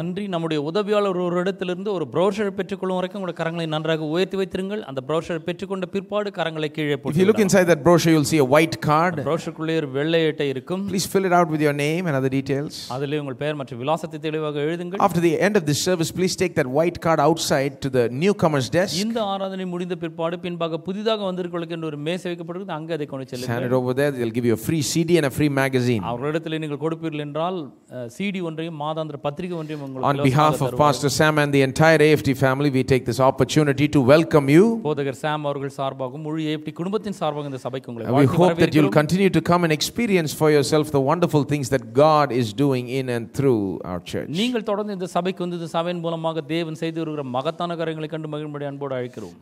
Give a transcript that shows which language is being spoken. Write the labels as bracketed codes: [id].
[ta] நன்றி நம்முடைய உதவியாளர் ஒரு இடத்திலிருந்து ஒரு brochure பெற்றுக்கொள்ளும் வரைக்கும் உங்கள் கரங்களை நன்றாக உயர்த்தி வைத்திருங்கள். அந்த brochure பெற்றுக்கொண்ட பிற்பாடு கரங்களை கீழே போடுங்கள். [en] If you look inside that brochure, you'll see a white card. [ta] brochureக்குள்ளே ஒரு வெள்ளை அட்டை இருக்கும். [en] Please fill it out with your name and other details. [ta] அதிலே உங்கள் பெயர் மற்றும் விலாசத்தை தெளிவாக எழுதுங்கள். [en] After the end of this service, please take that white card outside to the newcomers desk. [ta] இந்த ஆராதனை முடிந்த பிற்பாடு பின்பாக புதிதாக வந்திருக்கிறவர்களுக்கு என்று ஒரு மேசை வைக்கப்பட்டிருக்கு, அங்கே அதை கொண்டு செல்லுங்கள். [en] Stand it over there, they'll give you a free CD and a free magazine. [ta] அவர்களிடத்தில் நீங்கள் கொடுப்பீர்கள் என்றால் சிடி ஒன்றையும் மாதாந்திர பத்திரிகை ஒன்றையும் உங்களுக்கு. [en] On behalf of Pastor Sam and the entire AFT family, we take this opportunity to welcome you. [ta] போதகர் சாம் அவர்கள் சார்பாகவும் முழு AFT குடும்பத்தின் சார்பாகவும் இந்த சபைக்கு உங்களை வாழ்த்தி வரவேற்கிறோம். [en] We hope that you'll continue to come and experience for yourself the wonderful things that God is doing in and through our church. [ta] நீங்கள் தொடர்ந்து இந்த சபைக்கு வந்து இந்த சபையின் மூலமாக தேவன் செய்து வருகிற மகத்தான காரியங்களை கண்டு மகிழும்படி அன்போடு அழைக்கிறோம்.